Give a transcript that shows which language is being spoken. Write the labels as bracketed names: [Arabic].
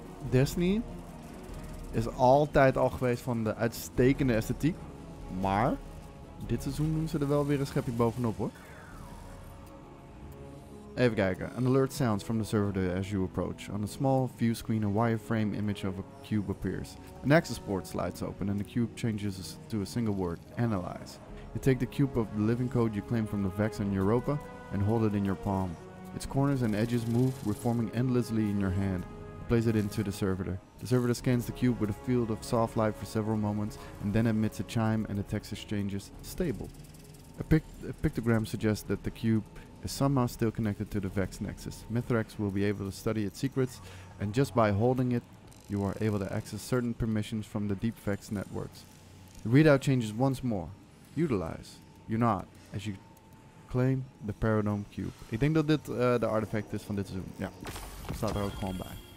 [Dutch] Destiny is altijd al geweest van de uitstekende esthetiek. Maar dit seizoen doen ze er wel weer een schepje bovenop hoor. Even kijken. [English] An alert sounds from the servitor as you approach. On a small view screen, a wireframe image of a cube appears. An access port slides open and the cube changes to a single word, analyze. You take the cube of the living code you claim from the Vex in Europa and hold it in your palm. Its corners and edges move, reforming endlessly in your hand. You place it into the servitor. The servitor scans the cube with a field of soft light for several moments and then emits a chime and the text exchanges stable. A pictogram suggests that the cube is somehow still connected to the Vex Nexus. Mithrax will be able to study its secrets, and just by holding it, you are able to access certain permissions from the Deep Vex networks. The readout changes once more. Utilize. You're not, as you claim the Paradigm Cube. [Dutch] Ik denk dat dit de artifact is van dit seizoen. Ja, staat er ook gewoon bij.